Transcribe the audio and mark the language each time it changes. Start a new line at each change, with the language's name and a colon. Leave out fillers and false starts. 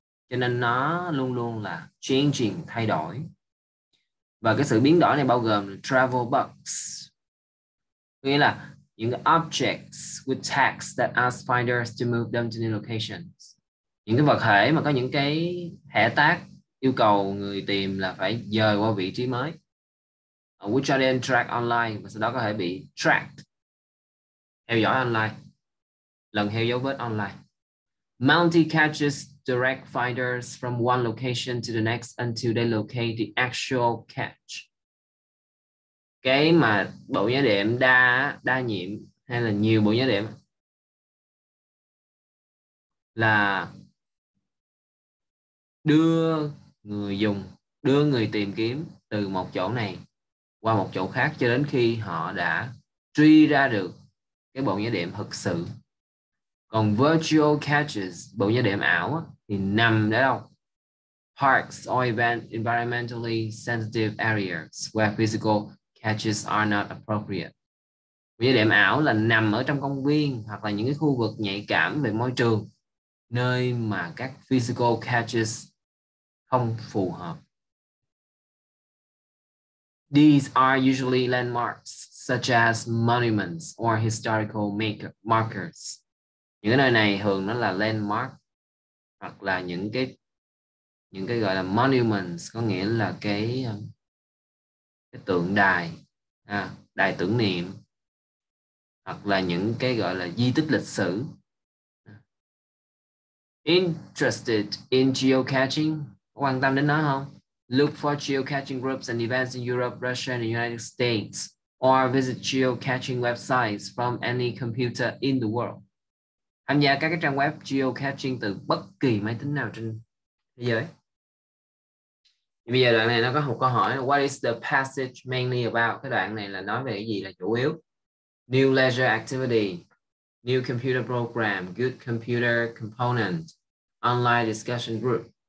Vietnamese: Cho nên nó luôn luôn là changing, thay đổi. Và cái sự biến đổi này bao gồm travel bugs, nghĩa là những
English: objects with tags that ask finders to move them to new locations.
Vietnamese: Những cái vật thể mà có những cái thẻ tag yêu cầu người tìm là phải dời qua vị trí mới,
English: which are then tracked online,
Vietnamese: và sau đó có thể bị tracked, theo dõi online, lần theo dấu vết online.
English: Multi catches direct finders from one location to the next until they locate the actual catch.
Vietnamese: Cái mà bộ nhớ đệm đa nhiệm hay là nhiều bộ nhớ đệm là đưa người tìm kiếm từ một chỗ này qua một chỗ khác cho đến khi họ đã truy ra được cái bộ nhớ đệm thực sự. Còn virtual catches, bộ nhớ đệm ảo thì nằm ở đâu?
English: Parks or environmentally sensitive areas where physical catches are not appropriate.
Vietnamese: Bộ nhớ đệm ảo là nằm ở trong công viên hoặc là những cái khu vực nhạy cảm về môi trường, nơi mà các physical catches không phù hợp.
English: These are usually landmarks such as monuments or historical markers.
Vietnamese: Những cái nơi này thường nó là landmark, hoặc là những cái gọi là monuments, có nghĩa là cái tượng đài, đài tưởng niệm, hoặc là những cái gọi là di tích lịch sử.
English: Interested in geocaching?
Vietnamese: Quan tâm đến nó không?
English: Look for geocaching groups and events in Europe, Russia and the United States. or visit geocaching websites from any computer in the world.
Vietnamese: Tham gia các cái trang web geocaching từ bất kỳ máy tính nào trên thế giới. Bây giờ đoạn này nó có một câu hỏi,
English: what is the passage mainly about?
Vietnamese: Cái đoạn này là nói về cái gì là chủ yếu?
English: New leisure activity, new computer program, good computer component, online discussion group.